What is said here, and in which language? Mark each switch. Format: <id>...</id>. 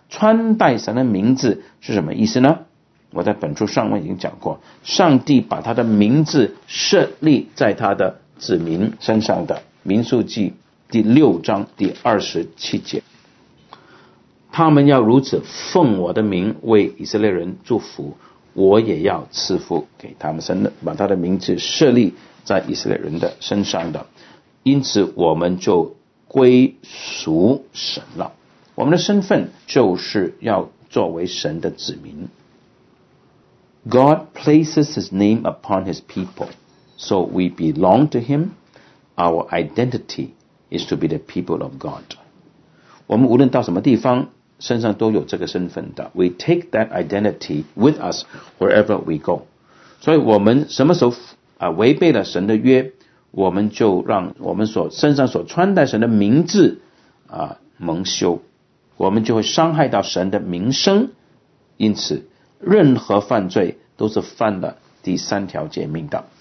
<zh>穿戴神的名字是什么意思呢？我在本书上面已经讲过，上帝把他的名字设立在他的子民身上的，民数记第六章第27节，他们要如此奉我的名为以色列人祝福，我也要赐福给他们，把他的名字设立在以色列人的身上的，因此我们就归属神了。我们的身份就是要作为神的子民。</zh> <en>God places his name upon his people so we belong to him. Our identity is to be the people of God.</en> <zh>我们无论到什么地方身上都有这个身份的。</zh> <en>We take that identity with us wherever we go.</en> <zh>所以我们什么时候啊违背了神的约，我们就让我们所身上所穿戴神的名字啊蒙羞，我们就会伤害到神的名声。因此任何犯罪都是犯了第三条诫命的。</zh>